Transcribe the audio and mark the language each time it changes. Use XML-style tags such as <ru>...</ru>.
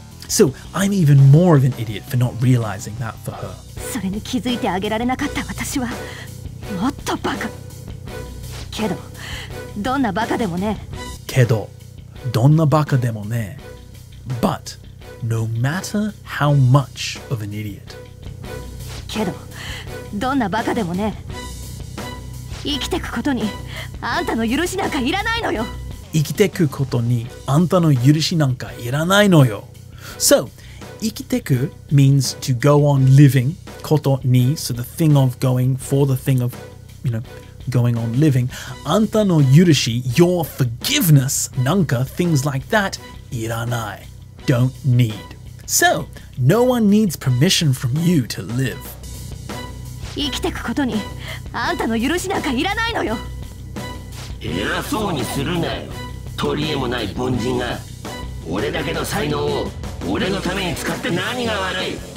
<en>So, I'm even more of an idiot for not realizing that for her.</en> <ja>それに気づいてあげられなかった私はもっとバカ。けど、どんなバカでもね。けど、どんなバカでもね。</ja> <en>But, no matter how much of an idiot.</en> <ja>けど、どんなバカでもね。生きてくことにあんたの許しなんかいらないのよ。生きてくことにあんたの許しなんかいらないのよ。</ja> <en>So, 生きてく means to go on living,</en> <ja>koto ni,</ja> <en>so the thing of going, for the thing of, you know, going on living.</en> <ja>Anta no yurushi,</ja> <en>your forgiveness,</en> <ja>nanka,</ja> <en>things like that,</en> <ja>iranai,</ja> <en>don't need. So, no one needs permission from you to live.</en> <ja>生きてくことに、あんたの許しなんかいらないのよ。偉そうにするなよ。取り柄もない凡人が、俺だけの才能を。俺のために使って何が悪い。</ja>